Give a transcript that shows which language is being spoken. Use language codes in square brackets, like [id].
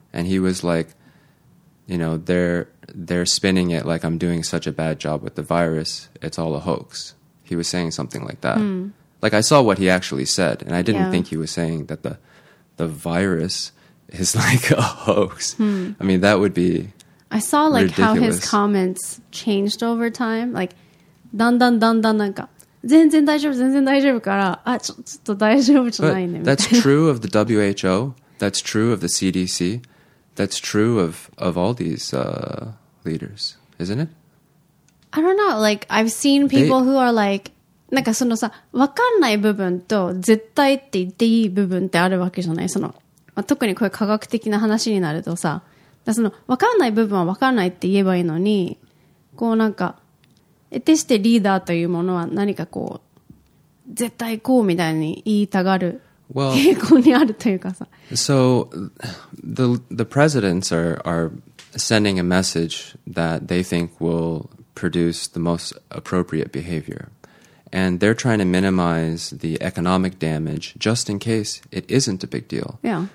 [en] And he was like, you know, they're spinning it like I'm doing such a bad job with the virus. It's all a hoax. He was saying something like that. Like, I saw what he actually said, and I didn't think he was saying that the virus is like a hoax. I mean, that would be I saw like、 ridiculous. How his comments changed over time. [ja] Like,だんだんだんだんなんか全然大丈夫全然大丈夫から、あ、ちょっと大丈夫じゃないね。 [en] That's true of the WHO. That's true of the CDC. That's true of all these leaders, isn't it? I don't know. Like, I've seen people who are like, [ja] なんかそのさ、わかんない部分と絶対って言っていい部分ってあるわけじゃない。その、まあ、特にこういう科学的な話になるとさ、だそのわかんない部分はわかんないって言えばいいのに、こうなんか。えてしてリーダーというものは何かこう絶対こうみたいに言いたがる傾向にあるというかさ。 [en] Well, so the presidents are sending a message that they think will produce the most appropriate behavior, and they're trying to minimize the economic damage just in case it isn't a big deal. Yeah.